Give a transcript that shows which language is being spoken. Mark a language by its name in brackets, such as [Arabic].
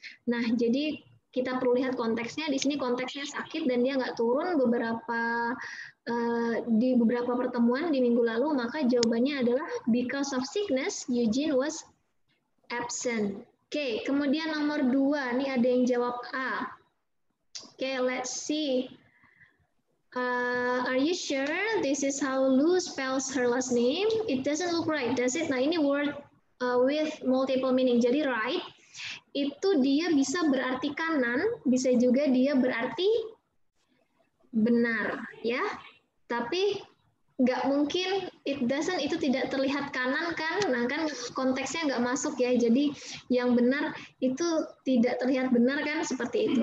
[Indonesian] Nah, jadi kita perlu lihat konteksnya. Di sini konteksnya sakit dan dia nggak turun beberapa pertemuan di minggu lalu, maka jawabannya adalah [English] because of sickness, Eugene was absent. [Indonesian] Oke, kemudian nomor dua, ini ada yang jawab A. [English] Oke, let's see. Are you sure this is how Lou spells her last name? It doesn't look right, does it? [Indonesian] Nah, ini [English] word with multiple meaning. [Indonesian] Jadi right, itu dia bisa berarti kanan, bisa juga dia berarti benar, ya. Tapi nggak mungkin it doesn't itu tidak terlihat kanan kan, nah kan konteksnya nggak masuk ya, jadi yang benar itu tidak terlihat benar kan, seperti itu.